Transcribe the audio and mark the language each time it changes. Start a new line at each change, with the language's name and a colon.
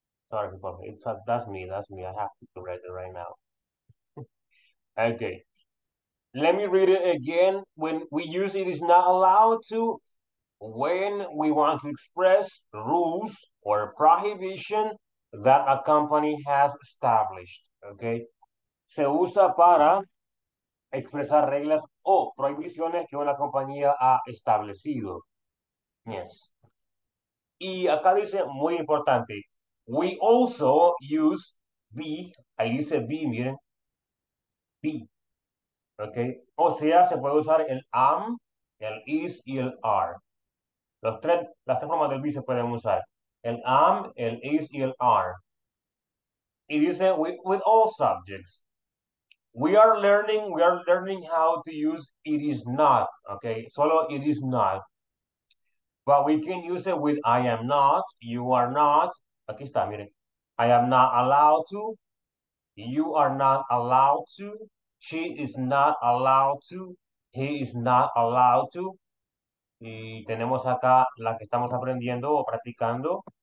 English: Sorry, it's a, that's me. I have to write it right now. Okay. Let me read it again. When we use it is not allowed to, when we want to express rules or prohibition that a company has established. Okay.
Spanish: Se usa para expresar reglas o prohibiciones que una compañía ha establecido. Yes. Y acá dice, muy importante,
English: we also use be,
Spanish: ahí dice be, miren, be. Okay. O sea, se puede usar el am, el is y el are. Los tres, las tres formas del be se pueden usar. El am, el is y el are. Y dice,
English: with all subjects. We are learning how to use it is not, okay? Solo it is not. But we can use it with I am not, you are not.
Spanish: Aquí está, miren.
English: I am not allowed to, you are not allowed to, she is not allowed to, he is not allowed to.
Spanish: Y tenemos acá la que estamos aprendiendo o practicando.